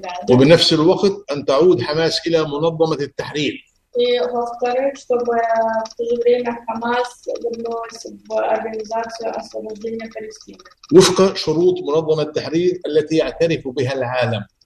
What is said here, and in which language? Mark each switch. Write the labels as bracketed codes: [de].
[ar] وبنفس الوقت أن تعود حماس إلى منظمة التحرير. [ru] И во-вторых, чтобы в то же время ХАМАС вернулась в организацию освобождения Палестины. [ar] وفق شروط منظمة التحرير التي يعترف بها العالم.